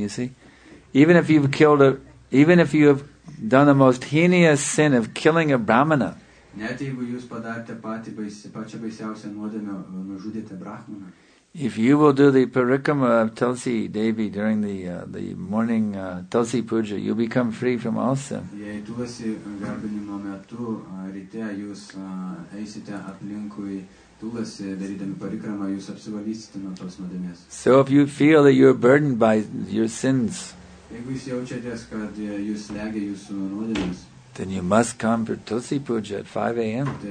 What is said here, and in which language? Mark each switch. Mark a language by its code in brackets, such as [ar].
[en] You see, even if you have done the most heinous sin of killing a brahmana, [lt] net jeigu jūs padarėte pačią baisiausią nuodėmę, nužudėte brahmaną, [en] if you will do the parikrama of Tulsi Devi during the morning Tulsi Puja, you become free from all sin. [lt] Jei Tulsi garbinimo metu ryte jūs eisite aplinkui Tulsi darydami parikrama, jūs apsivalysite nuo tos nuodėmės. [en] So if you feel that you are burdened by your sins, [lt] jeigu jūs jaučiatės, kad jūs slegia jūsų nuodėmės, [en] then you must come for Tulsi Puja at 5 a.m.